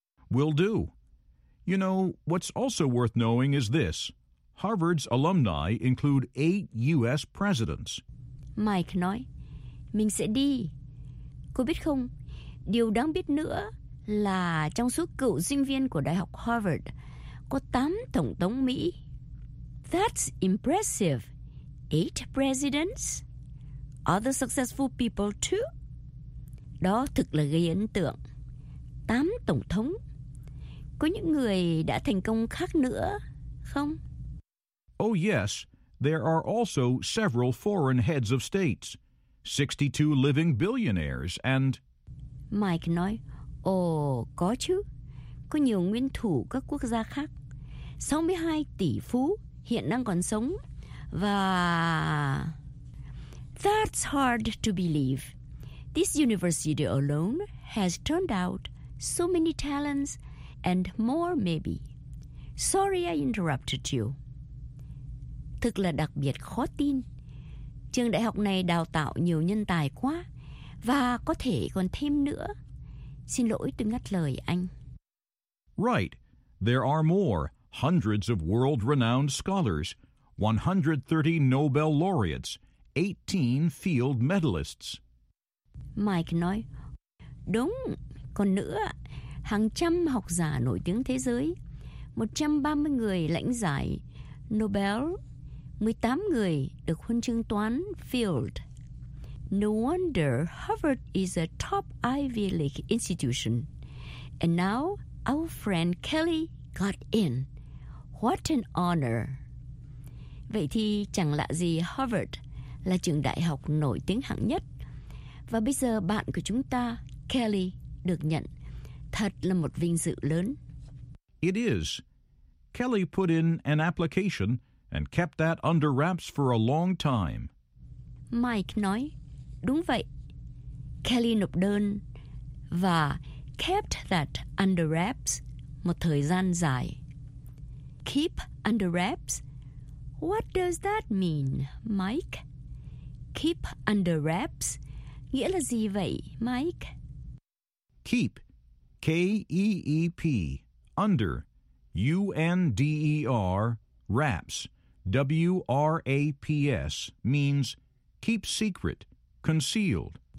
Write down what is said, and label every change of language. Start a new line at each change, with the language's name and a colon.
English: Will do. You know, what's also worth knowing is this. Harvard's alumni include 8 U.S. presidents.
Vietnamese: Mike nói, mình sẽ đi. Cô biết không, điều đáng biết nữa là trong số cựu sinh viên của Đại học Harvard, có 8 tổng thống Mỹ.
English: That's impressive. 8 presidents? Other successful people too?
Vietnamese: Đó thực là gây ấn tượng. 8 tổng thống. Có những người đã thành công khác nữa, không?
English: Oh yes, there are also several foreign heads of states, 62 living billionaires and...
Vietnamese: Mike nói, có chứ, có nhiều nguyên thủ các quốc gia khác, 62 tỷ phú hiện đang còn sống, và...
English: That's hard to believe. This university alone has turned out so many talents and more maybe. Sorry I interrupted you.
Vietnamese: Thực là đặc biệt khó tin. Trường đại học này đào tạo nhiều nhân tài quá và có thể còn thêm nữa. Xin lỗi tôi ngắt lời anh.
English: Right. There are more, hundreds of world-renowned scholars, 130 Nobel laureates, 18 field medalists.
Vietnamese: Mike nói, đúng, còn nữa, hàng trăm học giả nổi tiếng thế giới, 130 người lãnh giải Nobel, 18 người được huân chương toán Field.
English: No wonder Harvard is a top Ivy League institution. And now our friend Kelly got in. What an honor.
Vietnamese: Vậy thì chẳng lạ gì Harvard là trường đại học nổi tiếng hạng nhất. Và bây giờ bạn của chúng ta, Kelly, được nhận. Thật là một vinh dự lớn.
English: It is. Kelly put in an application and kept that under wraps for a long time.
Vietnamese: Mike nói, đúng vậy. Kelly nộp đơn và
English: kept that under wraps
Vietnamese: một thời gian dài.
English: Keep under wraps? What does that mean, Mike? Keep under wraps
Vietnamese: nghĩa là gì vậy, Mike?
English: Keep, K-E-E-P, under, U-N-D-E-R, wraps, W-R-A-P-S, means keep secret, concealed.